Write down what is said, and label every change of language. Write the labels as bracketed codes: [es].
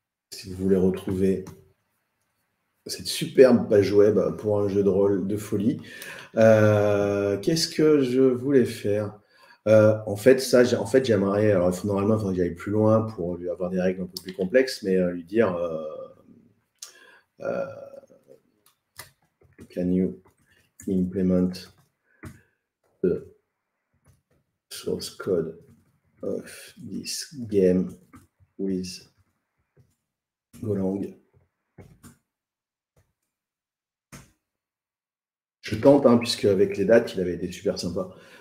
[fr] Si vous voulez retrouver cette superbe page web pour un jeu de rôle de folie, qu'est-ce que je voulais faire? En fait, ça, en fait, j'aimerais, alors normalement, il faudrait que j'aille plus loin pour lui avoir des règles un peu plus complexes, mais lui dire... [en] Can you implement the source code of this game with Golang? [fr] Je tente, hein, puisque avec les dates, il avait été super sympa.